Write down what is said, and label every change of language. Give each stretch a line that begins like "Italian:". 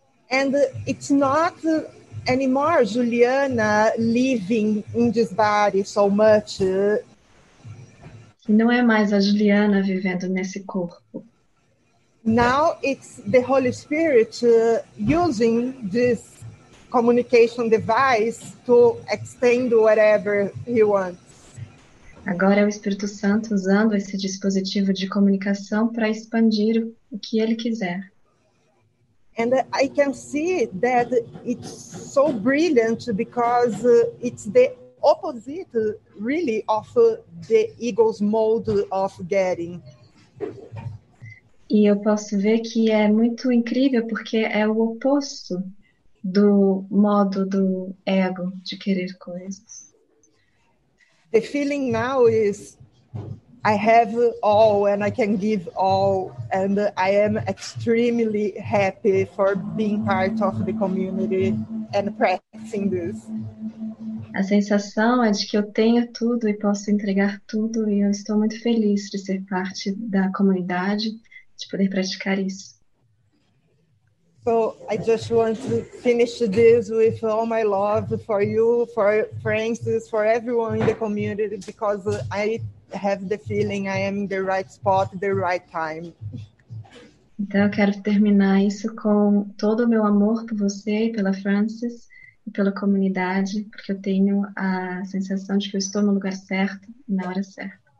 English: And it's not anymore Juliana living in this body so much.
Portuguese: Não é mais a Juliana vivendo nesse corpo.
English: Now it's the Holy Spirit using this communication device to extend whatever he wants.
Portuguese: Agora é o Espírito Santo usando esse dispositivo de comunicação para expandir o que ele quiser.
English: And I can see that it's so brilliant because it's the opposite, really, of the ego's mode of getting.
Portuguese: E eu posso ver que é muito incrível porque é o oposto do modo do ego de querer coisas.
English: The feeling now is I have all and I can give all and I am extremely happy for being part of the community and practicing this.
Portuguese: A sensação é de que eu tenho tudo e posso entregar tudo e eu estou muito feliz de ser parte da comunidade, de poder praticar isso.
English: So I just want to finish this with all my love for you, for Francis, for everyone in the community, because I have the feeling I am in the right spot, the right time.
Portuguese: Então, eu quero terminar isso com todo o meu amor por você e pela Francis e pela comunidade, porque eu tenho a sensação de que eu estou no lugar certo e na hora certa.